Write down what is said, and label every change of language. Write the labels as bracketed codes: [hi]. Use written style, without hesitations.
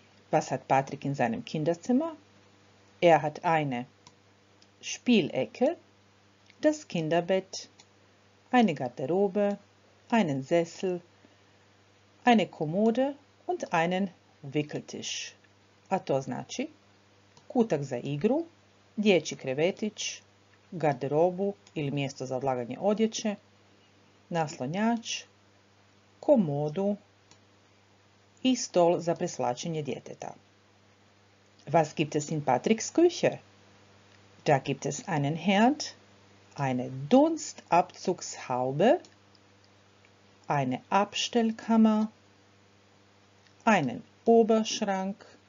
[de] Was hat Patrick in seinem Kinderzimmer? Er hat eine Spielecke, das Kinderbett, eine Garderobe, einen Sessel, eine Kommode und einen Wickeltisch. [hr] A to znači kutak za igru, dječji krevetić, garderobu ili mjesto za odlaganje odjeće, naslonjač, komodu i stol za preslačenje djeteta. [de] Was gibt es in Patricks Küche? Da gibt es einen Herd, eine Dunstabzugshaube, eine Abstellkammer, einen Oberschrank,